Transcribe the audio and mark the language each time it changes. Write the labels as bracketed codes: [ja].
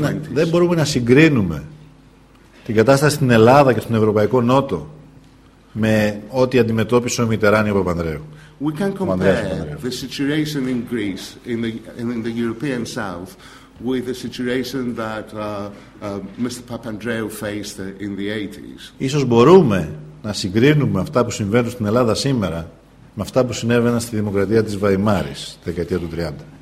[el] Δεν μπορούμε να συγκρίνουμε την κατάσταση στην Ελλάδα και στον Ευρωπαϊκό Νότο με ό,τι αντιμετώπισε ο Μιτεράνι ο Παπανδρέου. [en] We can compare the situation in Greece, in the European South, with the situation that Mr. Papandreou faced in the 80s. [el] Ίσως μπορούμε να συγκρίνουμε αυτά που συμβαίνουν στην Ελλάδα σήμερα με αυτά που συνέβαιναν στη δημοκρατία της Βαϊμάρης, δεκαετία του 30.